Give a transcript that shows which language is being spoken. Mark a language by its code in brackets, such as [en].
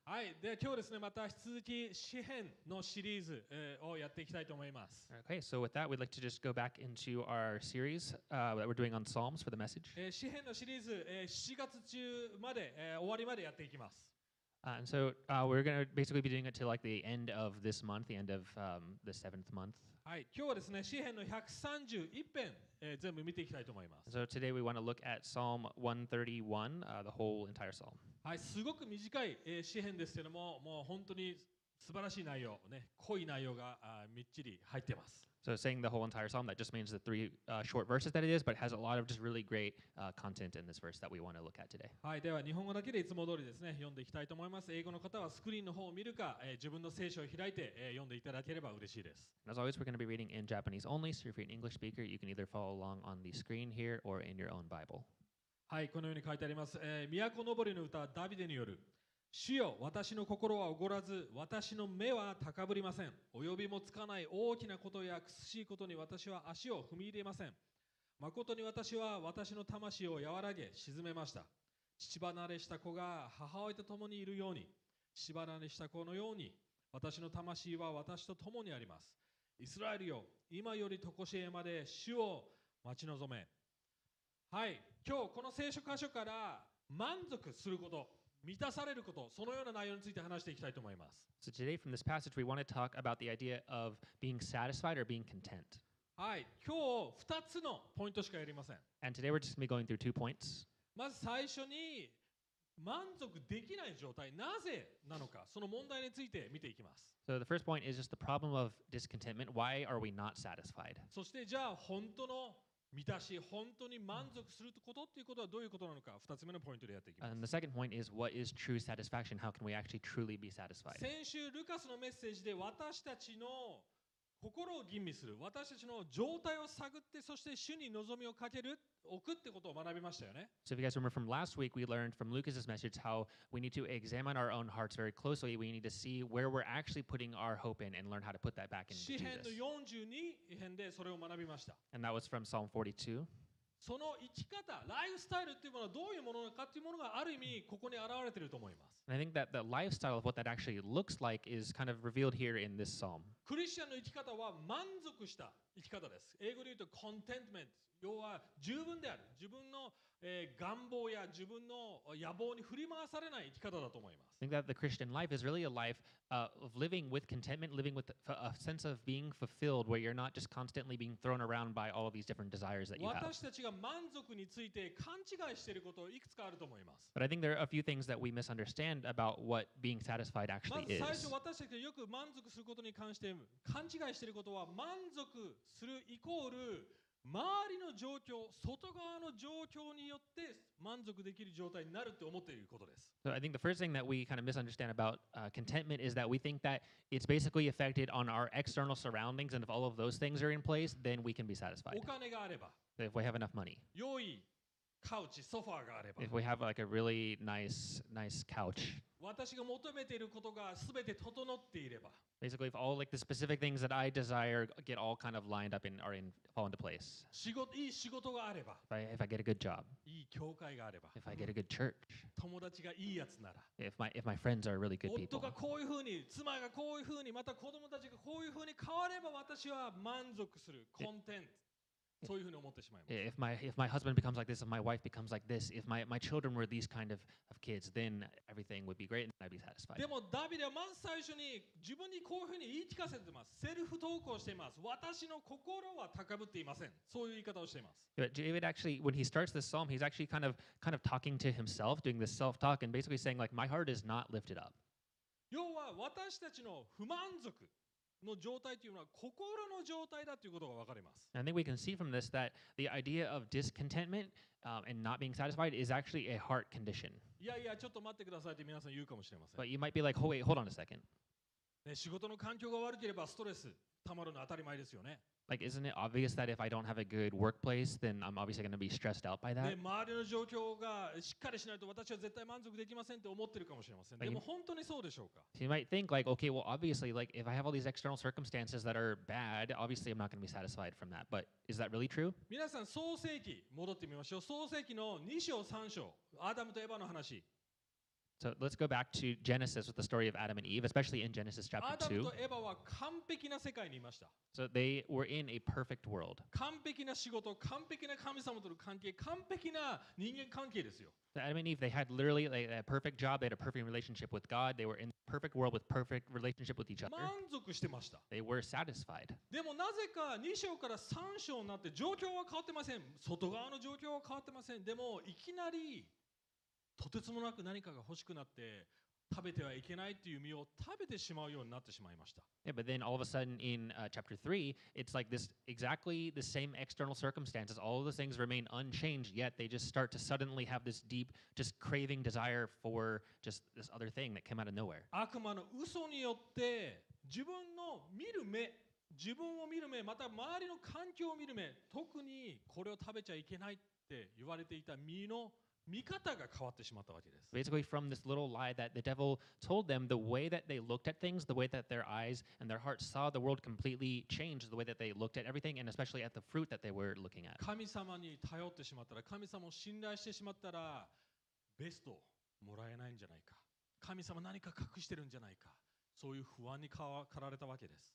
[ja] はい、では今日ですね、また引き続き詩編のシリーズをやっていきたいと思います。 [en] Okay, so with that, we'd like to just go back into our series, that we're doing on Psalms for the message. [ja] 詩編のシリーズ、7月中まで、終わりまでやっていきます。 [en] And so, we're going to basically be doing it till like the end of this month, the end of the seventh month. [ja] はい、今日はですね、詩編の131編、全部見ていきたいと思います。 [en] So today we want to look at Psalm 131, the whole entire Psalm. [ja] はい、すごく短い、詩編ですけども、もう本当に素晴らしい内容、ね、濃い内容が、みっちり入ってます。 [en] So saying the whole entire Psalm, that just means the three short verses that it is, but it has a lot of just really great content in this verse that we want to look at today. [ja] はい、では日本語だけでいつも通りですね、読んでいきたいと思います。英語の方はスクリーンの方を見るか、自分の聖書を開いて、読んでいただければ嬉しいです。 [en] And as always, we're going to be reading in Japanese only, so if you're an English speaker, you can either follow along on the screen here or in your own Bible. [ja] はい、このように書いてあります。都のぼりの歌、ダビデによる。主よ、私の心はおごらず、私の目は高ぶりません。及びもつかない大きなことや苦しいことに私は足を踏み入れません。まことに私は私の魂を和らげ沈めました。乳離れした子が母親と共にいるように、乳離れした子のように私の魂は私と共にあります。イスラエルよ、今より常しえまで主を待ち望め。はい、今日この聖書箇所から満足すること。満たされること、そのような内容について話していきたいと思います。 [en] So today from this passage, we want to talk about the idea of being satisfied or being content. [ja] はい、今日2つのポイントしかやりません。 [en] And today we're just going to be going through two points. [ja] まず最初に満足できない状態、なぜなのか、その問題について見ていきます。 [en] So the first point is just the problem of discontentment. Why are we not satisfied? [ja] そしてじゃあ本当の満たし本当に満足することっていうことはどういうことなのか、2つ目のポイントでやっていきます。 [en] And the second point is, what is true satisfaction? How can we actually truly be satisfied? [ja] 先週ルカスのメッセージで私たちの心を吟味する、私たちの状態を探って、そして主に望みをかける、置くってことを学びましたよね。 [en] So if you guys remember from last week, we learned from Lucas's message how we need to examine our own hearts very closely. We need to see where we're actually putting our hope in and learn how to put that back into Jesus. [ja] 詩編の42編でそれを学びました。 [en] And that was from Psalm 42. [ja] その生き方、ライフスタイルっていうものはどういうものかっていうものがある意味ここに現れていると思います。 [en] And I think that the lifestyle of what that actually looks like is kind of revealed here in this psalm. [ja] クリスチャンの生き方は満足した生き方です。英語で言うと contentment、要は十分である。自分の願望や自分の野望に振り回されない生き方だと思います。 [en] I think that the Christian life is really a life of living with contentment, living with a sense of being fulfilled, where you're not just constantly being thrown around by all of these different desires that you have. [ja] 私たちが満足について勘違いしていることいくつかあると思います。 [en] But I think there are a few things that we misunderstand. About what being satisfied actually is. [ja] まず最初私たちがよく満足することに関して勘違いしていることは満足するイコール周りの状況、外側の状況によって満足できる状態になるって思っていることです。 [en] So I think the first thing that we kind of misunderstand about contentment is that we think that it's basically affected on our external surroundings and if all of those things are in place, then we can be satisfied. [ja] お金があれば。 [en] If we have enough money. [ja] 良いカウチ、ソファーがあれば。 [en] If we have like a really nice, nice couch. [ja] 私が求めていることがすべて整っていれば。 [en] Basically, if all like the specific things that I desire get all kind of lined up and are in fall into place. [ja] 仕事、いい仕事があれば。 [en] If I get a good job. [ja] いい教会があれば。 [en] If I get a good church. [ja] 友達がいいやつなら。 [en] If my friends are really good people. [ja] 夫がこういうふうに、妻がこういうふうに、また子供たちがこういうふうに変われば私は満足する、コンテンツ。そういうふうに思ってしまいます。 [en] If my husband becomes like this, if my wife becomes like this, if my children were these kind of kids, then everything would be great and I'd be satisfied. [ja] でもダビデはまず最初に自分にこういうふうに言い聞かせてます。セルフ投稿しています。私の心は高ぶっていません。そういう言い方をしています。 [en] But David actually, when he starts this psalm, he's actually kind of talking to himself, doing this self-talk, and basically saying like, my heart is not lifted up. [ja] 要は私たちの不満足。の状態というのは心の状態だということがわかります。 [en] I think we can see from this that the idea of discontentment, and not being satisfied is actually a heart condition. [ja] いやいや、ちょっと待ってくださいって皆さん言うかもしれません。 [en] But you might be like, oh, wait, hold on a second.、 [ja] ね、仕事の環境が悪ければストレス溜まるの当たり前ですよね。 [en] Like, isn't it obvious that if I don't have a good workplace, then I'm obviously going to be stressed out by that? [ja] 周りの状況がしっかりしないと私は絶対満足できませんって思ってるかもしれません。でも本当にそうでしょうか? [en] You might think like, okay, well, obviously, like, if I have all these external circumstances that are bad, obviously, I'm not going to be satisfied from that. But is that really true? [ja] 皆さん、創世記戻ってみましょう。創世記の2章3章、アダムとエヴァの話。 [en] So let's go back to Genesis with the story of Adam and Eve, especially in Genesis chapter 2. [ja] アダムとエヴァは完璧な世界にいました。 [en] So they were in a perfect world. [ja] 完璧な仕事、完璧な神様との関係、完璧な人間関係ですよ。 [en] So Adam and Eve, they had literally a perfect job, they had a perfect relationship with God, they were in a perfect world with perfect relationship with each other. [ja] 満足してました。 [en] They were satisfied. [ja] でもなぜか2章から3章になって状況は変わってません。外側の状況は変わってません。でもいきなりとてつもなく何かが欲しくなって食べてはいけないという実を食べてしまうようになってしまいました。 [en] Yeah, but then all of a sudden in chapter 3, it's like this exactly the same external circumstances. All of the things remain unchanged, yet they just start to suddenly have this deep, just craving desire for just this other thing that came out of nowhere. [ja] 悪魔の嘘によって自分の見る目、自分を見る目、また周りの環境を見る目、特にこれを食べちゃいけないって言われていた実の見方が変わってしまったわけです。 [en] Basically, from this little lie that the devil told them, the way that they looked at things, the way that their eyes and their hearts saw the world completely changed, the way that they looked at everything, and especially at the fruit that they were looking at. [ja] 神様に頼ってしまったら、神様を信頼してしまったら、ベストをもらえないんじゃないか。神様何か隠してるんじゃないか。そういう不安に駆られたわけです。